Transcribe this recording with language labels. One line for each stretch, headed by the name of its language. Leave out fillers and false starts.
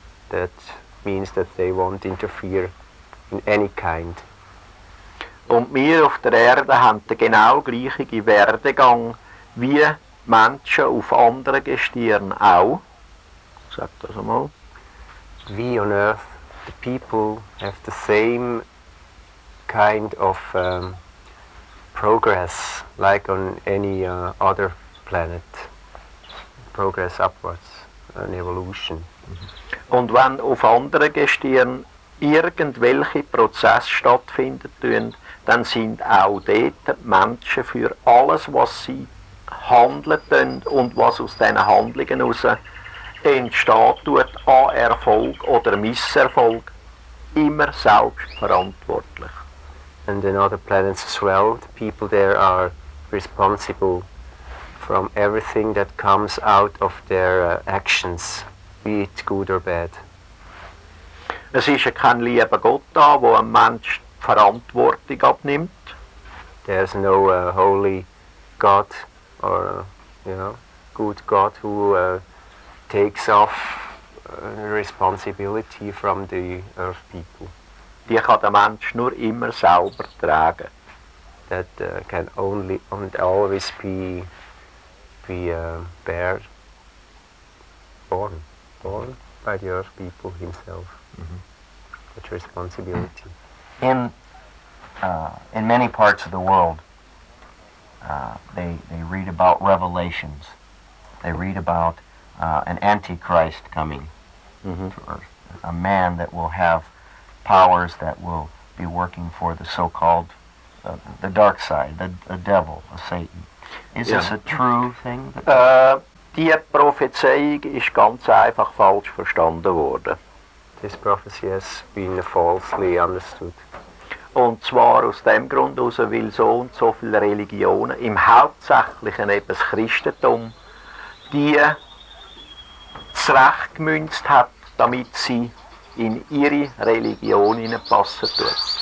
English: That means that they won't interfere in any kind.
German: Und wir auf der Erde haben den genau gleichen Werdegang wie Menschen auf anderen Gestirnen auch. Sag das einmal.
English: We on Earth, the people, have the same kind of progress like on any other planet. Progress upwards, an evolution.
German: Und wenn auf anderen Gestirnen irgendwelche Prozesse stattfinden, dann sind auch dort Menschen für alles, was sie handeln und was aus diesen Handlungen heraus entsteht, an Erfolg oder Misserfolg, immer selbst verantwortlich.
English: And in other planets as well, the people there are responsible from everything that comes out of their actions. Be it good or bad.
German: Es ist ja kein lieber Gott da, wo ein Mensch die Verantwortung abnimmt.
English: There's no holy God or good God who takes off responsibility from the earth people.
German: Die kann der Mensch nur immer selber tragen.
English: That can only and always be bared, born. Born by the earth people himself, mm-hmm. That responsibility. In many parts of the world, they read about revelations. They read about an antichrist coming, mm-hmm. A man that will have powers that will be working for the so-called the dark side, the devil, a Satan. Is this a true thing?
German: Die Prophezeiung ist ganz einfach falsch verstanden worden.
English: This prophecy has been falsely understood.
German: Und zwar aus dem Grund aus, weil so und so viele Religionen, im Hauptsächlichen eben das Christentum, die das Recht gemünzt hat, damit sie in ihre Religion hineinpassen tut.